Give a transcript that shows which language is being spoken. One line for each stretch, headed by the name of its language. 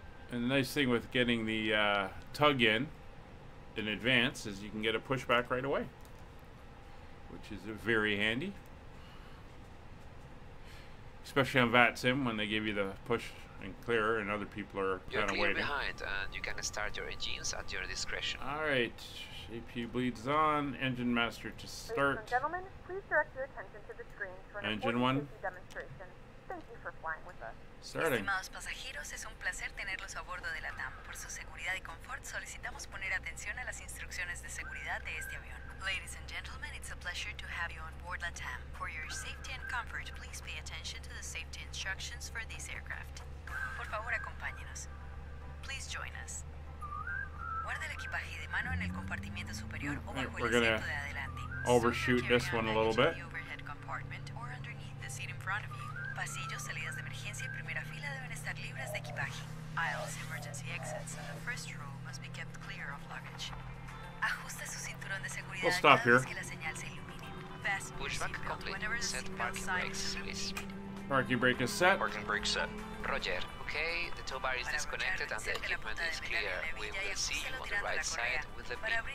English: And the nice thing with getting the tug in advance is you can get a pushback right away, which is very handy, especially on VatSim when they give you the push and clear and other people are kind of waiting. You're clear behind and you can start your engines at your discretion. All right, APU bleeds on, engine master to start. Ladies and gentlemen, please direct your attention to the screen for an engine one. Demonstration. Thank you for flying with us. Starting.
Spanish: Estimados pasajeros, es un placer tenerlos a bordo de la TAM. Por su seguridad y confort, solicitamos poner atención a las instrucciones de seguridad de este avión.
English: Ladies and gentlemen, it's a pleasure to have you on board la TAM. For your safety and comfort, please pay attention to the safety instructions for this aircraft.
Spanish: Por favor, acompáñenos.
English: Please join us.
Spanish: Guarda el equipaje de mano en el compartimiento superior o bajo el asiento de adelante.
English: Overshoot this one a little bit. Overhead compartment or underneath the seat in front of you.
Spanish: Pasillos, salidas de emergencia y primera fila deben estar libres de equipaje.
English: Aisles, emergency exits, and the first row must be kept clear of luggage.
Spanish: Ajuste su cinturón de seguridad
English: we'll stop here.
Spanish: Cada vez que la señal se ilumine.
English: Fasten your seatbelt whenever the seatbelt sign is illuminated. Parking brake is set. Parking brake set. Roger. Okay, the tow bar is disconnected and the equipment is clear. We will see you on the right side with the beep.